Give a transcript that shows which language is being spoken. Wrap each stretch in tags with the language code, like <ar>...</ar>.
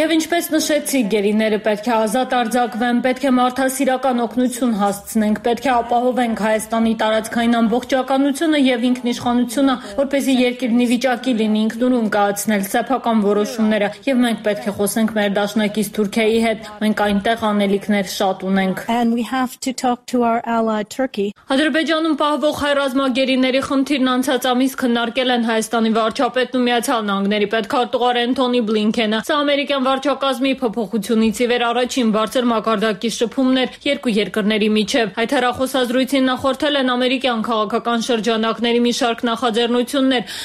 <hy>Եվ ինչպես նշեցի, գերիները պետք է ազատ արձակվեն, պետք է մարդասիրական օգնություն հասցնենք, պետք է ապահովենք Հայաստանի տարածքային ամբողջականությունը եւ ինքնիշխանությունը, որպեսզի երկիրն ի վիճակի լինի ինքնուրույն կայացնել սեփական որոշումները, եւ մենք պետք է խոսենք մեր դաշնակից Թուրքիայի հետ, մենք այնտեղ անելիքներ շատ ունենք։</hy> <en>And we have to talk to our ally Turkey.</en> <hy>Ադրբեջանում պահվող հայ ռազմագերիների խնդիրն անցած ամիս քննարկել են Հայաստանի վարչապետն ու Միացյալ Պաշտոնանգների պետքարտուղար Էնթոնի Բլինքենը։ Սա ամերիկյան վարչակազմի փոփոխությունից ի վեր առաջին բարձր մակարդակի շփումներ երկու երկրների միջև։ Այդ հեռախոսազրույցին նախորդել են ամերիկյան քաղաքական շրջանակների մի շարք նախաձեռնություններ,</hy>